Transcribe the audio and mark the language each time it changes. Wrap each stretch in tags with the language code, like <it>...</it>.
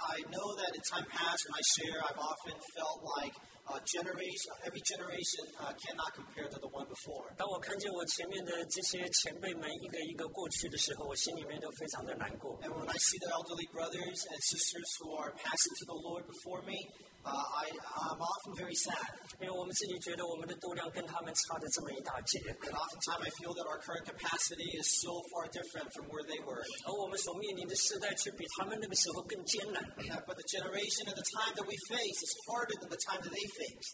<en>I know that in time past, when I share, I've often felt like every generation cannot compare to the one before.</en> <zh>当我看见我前面的这些前辈们一个一个过去的时候，我心里面都非常的难过。And</zh> <en>when I see the elderly brothers and sisters who are passing to the Lord before me, I'm often very sad. Oftentimes I feel that our current capacity is so far different from where they were. But the generation and the time that we face is harder than the time that they faced.</en>